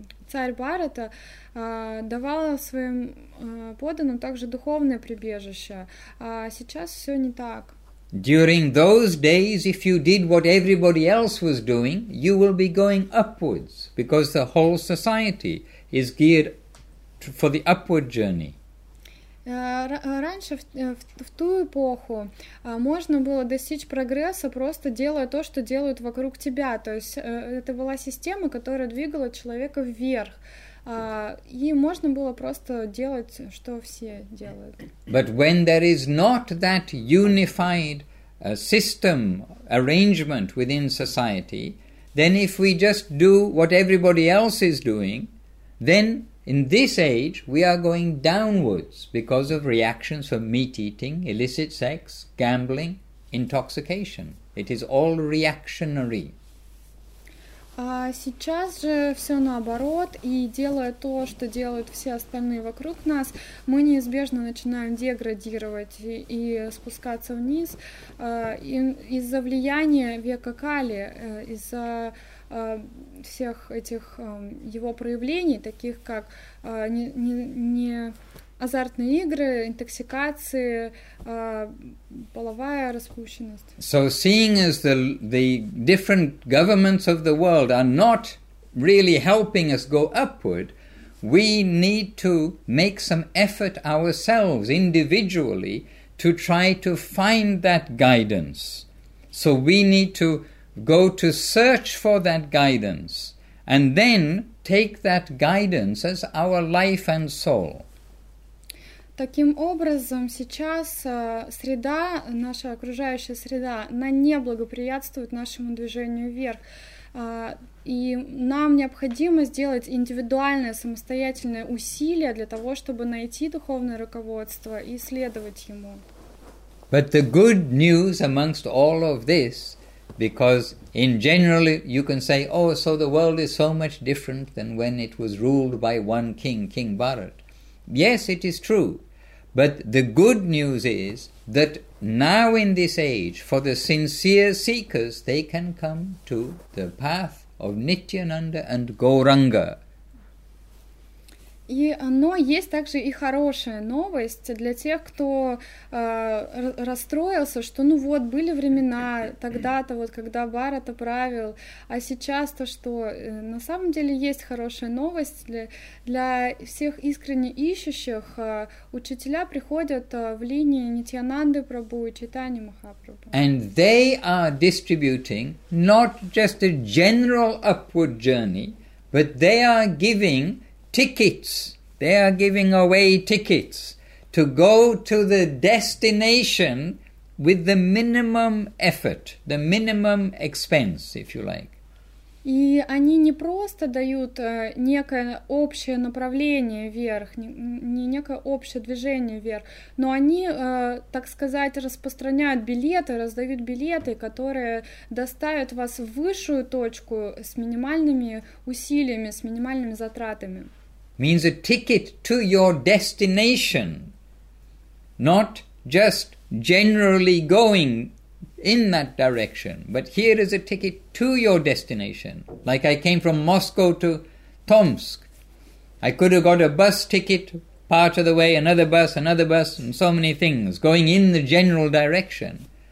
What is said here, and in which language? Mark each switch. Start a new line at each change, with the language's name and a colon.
Russian: царь Барата давал своим подданным также духовное прибежище. А сейчас все не так.
English: During those days, if you did what everybody else was doing, you will be going upwards, because the whole society is geared for the upward journey.
Russian: Раньше, в ту эпоху, можно было достичь прогресса, просто делая то, что делают вокруг тебя. То есть это была система, которая двигала человека вверх. И можно было просто делать, что все делают.
English: But when there is not that unified system arrangement within society, then if we just do what everybody else is doing, then in this age we are going downwards because of reactions from meat-eating, illicit sex, gambling, intoxication. It is all reactionary.
Russian: А сейчас же все наоборот, и делая то, что делают все остальные вокруг нас, мы неизбежно начинаем деградировать и спускаться вниз из-за влияния века Кали, из-за всех этих его проявлений, таких как не азартные игры, интоксикации, половая распущенность.
English: So seeing as the different governments of the world are not really helping us go upward, we need to make some effort ourselves individually to try to find that guidance. So we need to go to search for that guidance and then take that guidance as our life and soul.
Russian: Таким образом, сейчас среда, наша окружающая среда, она не благоприятствует нашему движению вверх. И нам необходимо сделать индивидуальное, самостоятельное усилие для того, чтобы найти духовное руководство и следовать ему.
English: But the good news amongst all of this, because in general you can say, oh, so the world is so much different than when it was ruled by one king, King Bharat. Yes, it is true. But the good news is that now in this age, for the sincere seekers, they can come to the path of Nityananda and Gauranga.
Russian: И, но есть также и хорошая новость для тех, кто расстроился, что ну вот, были времена тогда-то, вот когда Бхарата правил, а сейчас-то что? На самом деле есть хорошая новость для всех искренне ищущих. Учителя приходят в линии Нитьянанды Прабу и Чайтаньи Махапрабу.
English: And they are distributing not just a general upward journey, but they are giving tickets. They are giving away tickets to go to the destination with the minimum effort, the minimum expense, if you like.
Russian: И они не просто дают некое общее направление вверх, не некое общее движение вверх, но они, так сказать, распространяют билеты, раздают билеты, которые доставят вас в высшую точку с минимальными усилиями, с минимальными затратами.
English: Means a ticket to your destination, not just generally going in that direction, but here is a ticket to your destination. Like I came from Moscow to Tomsk. I could have got a bus ticket part of the way, another bus, and so many things, going in the general direction.